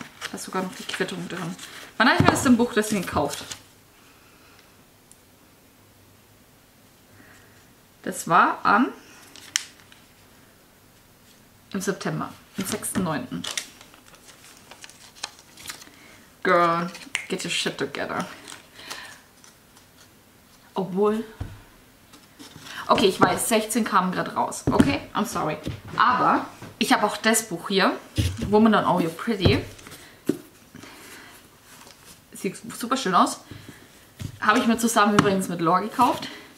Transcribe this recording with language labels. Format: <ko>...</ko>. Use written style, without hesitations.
<de>Da ist sogar noch die Quittung drin. Wann habe ich mir das im Buch deswegen gekauft? Das war am im September, am 6.9.</de> <en>Girl, get your shit together.</en> <de>Obwohl. Okay, ich weiß, 16 kam gerade raus.</de> <en>Okay, I'm sorry.</en> <de>Aber ich habe auch das Buch hier, Woman on All You're Pretty. Sieht super schön aus. Habe ich mir zusammen übrigens mit Lore gekauft.</de>